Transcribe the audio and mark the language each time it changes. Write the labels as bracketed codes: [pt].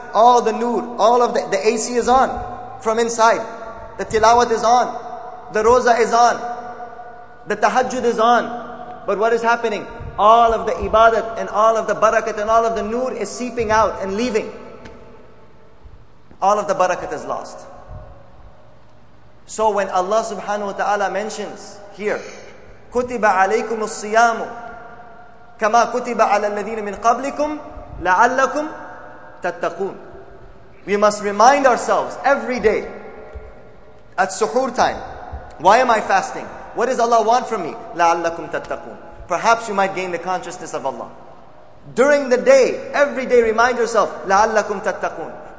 [en] All the nur, all of the AC is on from inside. The tilawat is on. The roza is on. The tahajjud is on. But what is happening? All of the ibadat and all of the barakat and all of the nur is seeping out and leaving. All of the barakat is lost. So when Allah subhanahu wa ta'ala mentions here, [ar] كُتِبَ عَلَيْكُمُ الصِّيَامُ كَمَا كُتِبَ عَلَى الَّذِينَ مِنْ قَبْلِكُمْ لَعَلَّكُمْ تَتَّقُونَ. [en] We must remind ourselves every day at suhoor time. Why am I fasting? What does Allah want from me? [ar] لَعَلَّكُمْ تَتَّقُونَ. [en] perhaps you might gain the consciousness of Allah. During the day, every day, remind yourself, [ar] لَعَلَّكُمْ تَتَّقُونَ.